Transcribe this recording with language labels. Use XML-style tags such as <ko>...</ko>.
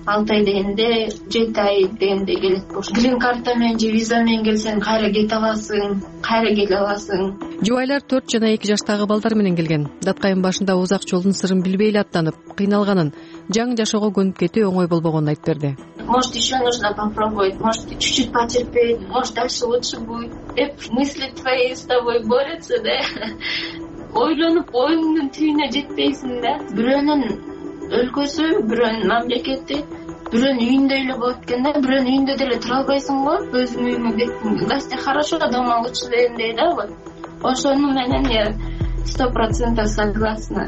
<ky>6 ай дегенде 7 ай дегенде келет болуш. Грин карта менен же виза менен келсең кайра кете аласың, кайра келе аласың. Жубайлар 4 жана 2 жаштагы балдар менен келген. Даткайым башында узак жолдун сырын билбей эле аттанып кыйналганын, жаңы жашоого көнүп кетүү оңой болбогонун айтып берди.</ky> <ru>Может еще нужно попробовать, может чуть-чуть потерпеть, может дальше лучше будет</ru> <ky>деп</ky> <ru>мысли твои с тобой борются да.</ru> <ky>Ойлонуп оюңдун түбүнө жетпейсиң да. Бирөөнүн өлкөсү, бирөөнүн мамлекети, бирөөнүн үйүндө эле болот экен да, бирөөнүн үйүндө деле тура албайсың го, өзүм үйүмө кеттим,</ky> <ru>гости хорошо, дома лучше</ru> <ky>дегендей да.</ky> <ru>Вот</ru> <ky>ошону менен</ky> <ru>я 100% согласна.</ru>